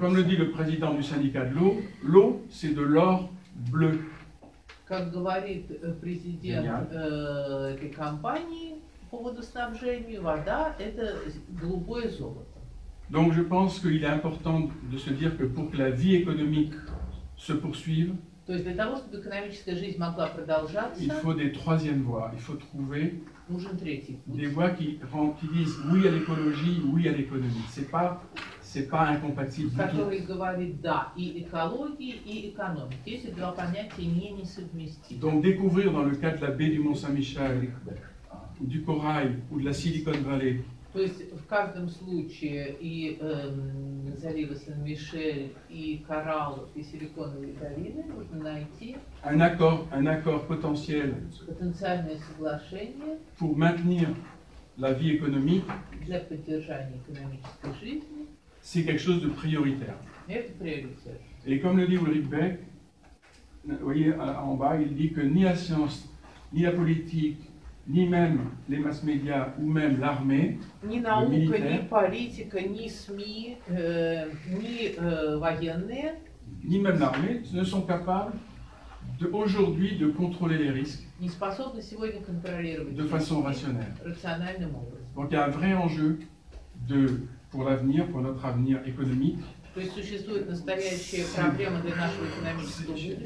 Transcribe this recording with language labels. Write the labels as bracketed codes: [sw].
[fr] Comme le dit le président du syndicat de l'eau, l'eau, c'est de l'or bleu. [ru] Как говорит президент этой компании по водоснабжению, вода – это голубое золото. [fr] Donc je pense qu'il est important de se dire que pour que la vie économique se poursuive, [ru] то есть для того, чтобы экономическая жизнь могла продолжаться, [fr] il faut des troisième voies, il faut trouver [ru] нужен третий путь. [fr] Des voies qui disent oui à l'écologie, oui à l'économie. C'est pas incompatible. [ru] Который говорит да и экологии, и экономике. Эти два понятия не несовместимы. [fr] Donc découvrir dans le cadre de la baie du Mont-Saint-Michel, du Corail ou de la Silicon Valley. [ru] То есть в каждом случае и залива Сен-Мишель, и Коралл, и Силиконовые долины нужно найти [fr] un accord potentiel, [ru] потенциальное соглашение [fr] pour maintenir la vie économique, [ru] для поддержания экономической жизни. [fr] C'est quelque chose de prioritaire. [ru] Это приоритет. [fr] Et comme le dit Ulrich Beck, vous voyez en bas, il dit que ni la science, ni la politique, ni même les mass médias ou même l'armée, ni [ru] наука, [fr] le militaire, ni [ru] политика, ни СМИ, [fr] ni [ru] военные, [fr] ni même l'armée ne sont capables de, aujourd'hui de contrôler les risques [ru] не способны сегодня контролировать [fr] de façon rationnelle. [ru] Рациональным образом. [fr] Donc il y a un vrai enjeu de, pour l'avenir, pour notre avenir économique. [ru] То есть существует настоящая проблема для нашего экономического будущего.